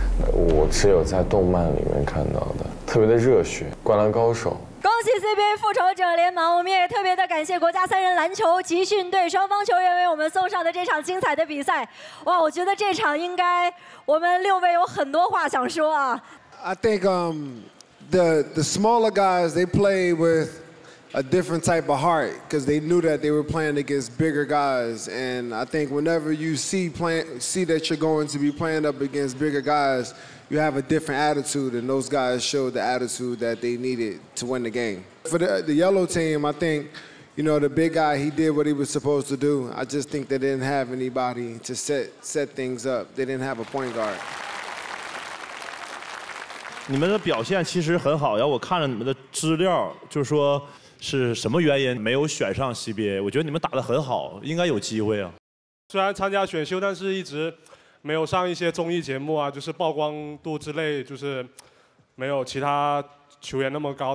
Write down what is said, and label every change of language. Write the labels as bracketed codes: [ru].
[zh] 我只有在动漫里面看到的，特别的热血，《灌篮高手》。恭喜 CBA 复仇者联盟，我们也特别的感谢国家三人篮球集训队双方球员为我们送上的这场精彩的比赛。哇，我觉得这场应该我们六位有很多话想说啊。 [en] I think the smaller guys they play with a different type of heart because they knew that they were playing against bigger guys. And I think whenever you see that you're going to be playing up against bigger guys, you have a different attitude. And those guys showed the attitude that they needed to win the game. For the yellow team, I think, you know, the big guy, he did what he was supposed to do. I just think they didn't have anybody to set things up. They didn't have a point guard. [zh] 你们的表现其实很好，然后我看了你们的资料，就是说是什么原因没有选上 CBA？我觉得你们打得很好，应该有机会啊。虽然参加选秀，但是一直没有上一些综艺节目啊，就是曝光度之类，就是没有其他球员那么高。